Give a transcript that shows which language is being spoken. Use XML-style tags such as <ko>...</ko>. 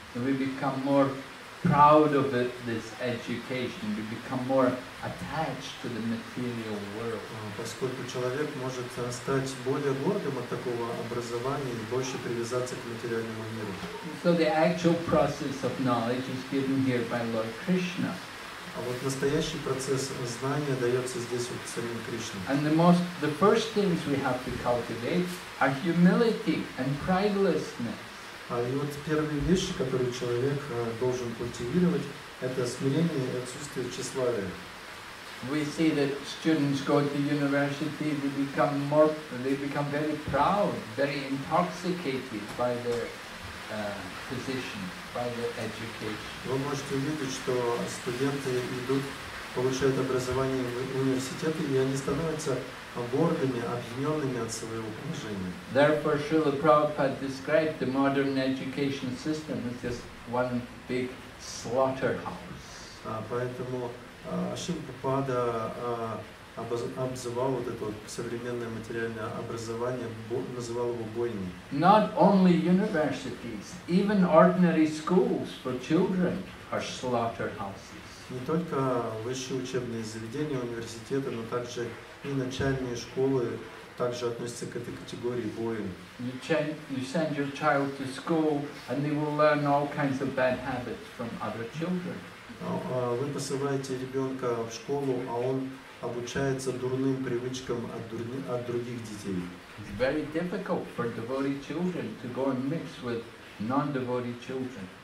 <en>We become more proud of it, this education. We become more attached to the material world.</en> <ru>Поскольку человек может стать более гордым от такого образования и больше привязаться к материальному миру.</ru> <en>So the actual process of knowledge is given here by Lord Krishna.</en> <ru>А вот настоящий процесс знания дается здесь вот самим Кришной.</ru> <en>And the first things we have to cultivate are humility and pridelessness.</en> <ru>А и вот первые вещи, которые человек должен культивировать, это смирение и отсутствие тщеславия.</ru> <en>We see that students go to university, they become very proud, very intoxicated by their position, by their education.</en> <ru>Вы можете увидеть, что студенты идут, получают образование в университеты, и они становятся гордыми, объединенными от своего положения.</ru> <en>Therefore, Srila Prabhupada described the modern education system as just one big slaughterhouse.</en> <ru>Поэтому Шрила Прабхупада обзывал вот это современное материальное образование, называл его бойней.</ru> <en>Not only universities, even ordinary schools for children are slaughterhouses.</en> <ru>Не только высшие учебные заведения, университеты, но также и начальные школы также относятся к этой категории воин.</ru> <en>You send your child to school, and they will learn all kinds of bad habits from other children.</en> <ru>Вы посылаете ребенка в школу, а он обучается дурным привычкам от других детей.</ru> <en>It's very difficult for devoted children to go and mix with non-devoted children.</en>